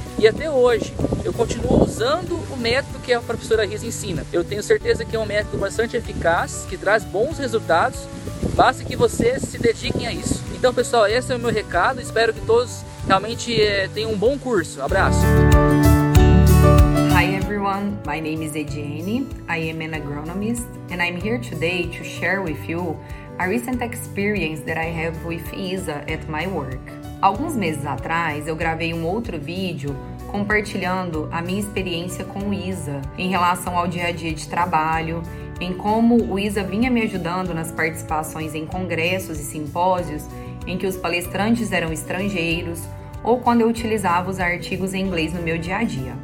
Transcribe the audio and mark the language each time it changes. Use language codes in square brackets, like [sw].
[pt] E até hoje, eu continuo usando o método que a professora Rízia ensina. Eu tenho certeza que é um método bastante eficaz, que traz bons resultados. Basta que vocês se dediquem a isso. Então, pessoal, esse é o meu recado. Espero que todos realmente tenham um bom curso. Abraço! [en] Hi everyone, my name is Ediane, I am an agronomist, and I'm here today to share with you a recent experience that I have with ISA at my work. [pt] Alguns meses atrás, eu gravei um outro vídeo compartilhando a minha experiência com o ISA em relação ao dia a dia de trabalho, em como o ISA vinha me ajudando nas participações em congressos e simpósios em que os palestrantes eram estrangeiros, ou quando eu utilizava os artigos em inglês no meu dia a dia.